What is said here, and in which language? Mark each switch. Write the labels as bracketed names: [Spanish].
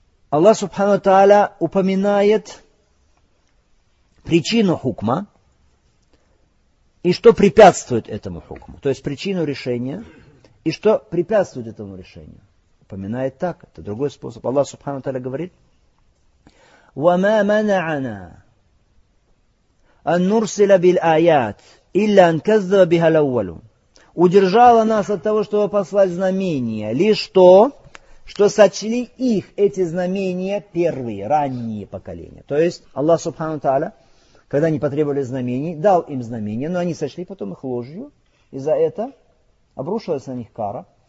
[Russian] Аллах Субхану Тааля упоминает причину хукма и что препятствует этому хукму. То есть причину решения. И что препятствует этому решению? Упоминает так, это другой способ. Аллах Субхану Таля говорит, [Arabic] وما منعنا أن نرسل بالآيات إلا أن كذب بها الأول. [Russian] Удержало нас от того, чтобы послать знамения, лишь то, что сочли их, эти знамения, первые, ранние поколения. То есть Аллах Субхану Тааля, когда они потребовали знамений, дал им знамения, но они сочли потом их ложью, и за это обрушилась на них кара.